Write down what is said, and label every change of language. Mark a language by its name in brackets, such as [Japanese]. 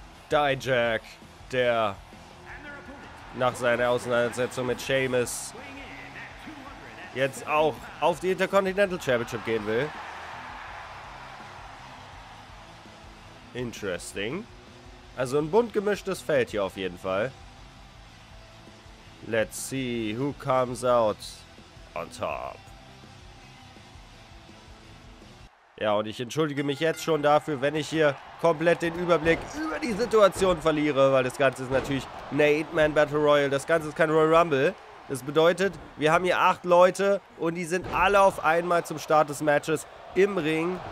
[German] Dijak, der nach seiner Auseinandersetzung mit Sheamus jetzt auch auf die Intercontinental Championship gehen will. Interesting. Also ein bunt gemischtes Feld hier auf jeden Fall. [English] Let's see who comes out on top. [German] Ja, und ich entschuldige mich jetzt schon dafür, wenn ich hier komplett den Überblick über die Situation verliere, weil das Ganze ist natürlich eine 8-Man Battle Royale. Das Ganze ist kein Royal Rumble. Das bedeutet, wir haben hier 8 Leute und die sind alle auf einmal zum Start des Matches im Ring.